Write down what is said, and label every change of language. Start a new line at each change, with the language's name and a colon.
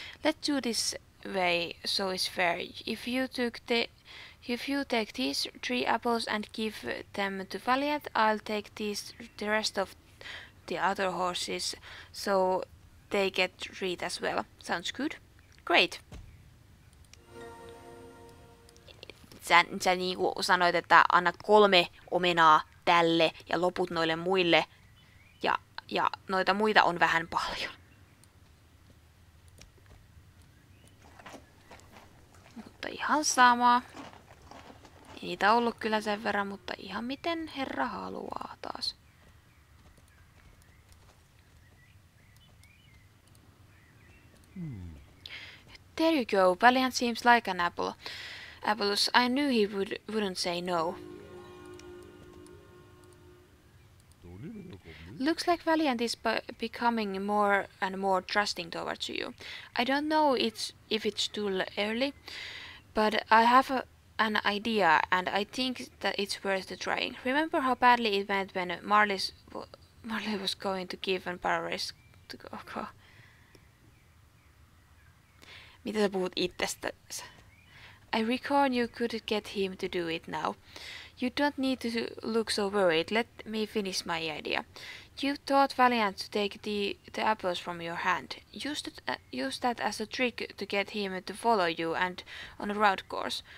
English: Let's do this way so it's fair. If you take these three apples and give them to Valiant, I'll take the rest of the other horses, so they get treat as well. Sounds good. Great.
Finnish: Sä niinku sanoit, että anna 3 omenaa tälle ja loput noille muille. Ja noita muita on vähän paljon. Mutta ihan sama. Niitä on ollut kyllä sen verran, mutta ihan miten herra haluaa taas.
English: There you go. Valiant seems like an apple. Apples. I knew he wouldn't say no. Looks like Valiant is becoming more and more trusting towards you. I don't know if it's too early, but I have an idea, and I think that it's worth the trying. Remember how badly it went when Marley was going to give an paris to Coco?
Finnish: Mitä sä puhut itsestäsi?
English: I reckon you could get him to do it now. You don't need to look so worried. Let me finish my idea. You thought valiant to take the apples from your hand. Use that as a trick to get him to follow you and on a round course.